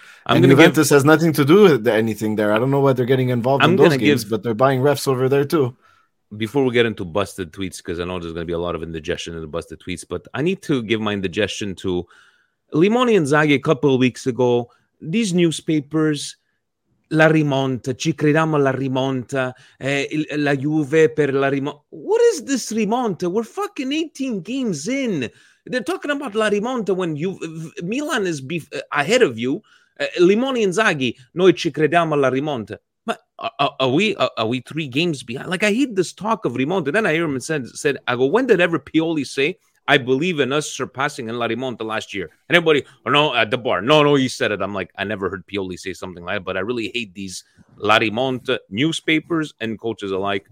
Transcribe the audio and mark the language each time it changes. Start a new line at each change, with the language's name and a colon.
English: Juventus has nothing to do with anything there. I don't know why they're getting involved in those games, but they're buying refs over there too. Before we get into busted tweets, because I know there's going to be a lot of indigestion in the busted tweets, but I need to give my indigestion to Limoni and Zaghi a couple of weeks ago. These newspapers.
Italian: La rimonta, ci crediamo la rimonta, la Juve per la rimonta.
English: What is this rimonta? We're fucking 18 games in. They're talking about la rimonta when Milan is ahead of you. Limoni and Zaghi,
Italian: noi ci crediamo la rimonta.
English: But are we 3 games behind? Like, I hate this talk of rimonta. Then I hear him and said, I go, when did ever Pioli say, I believe in us surpassing in La Rimonta last year? And everybody, or no, at the bar. No, you said it. I'm like, I never heard Pioli say something like that, but I really hate these La Rimonta newspapers and coaches alike.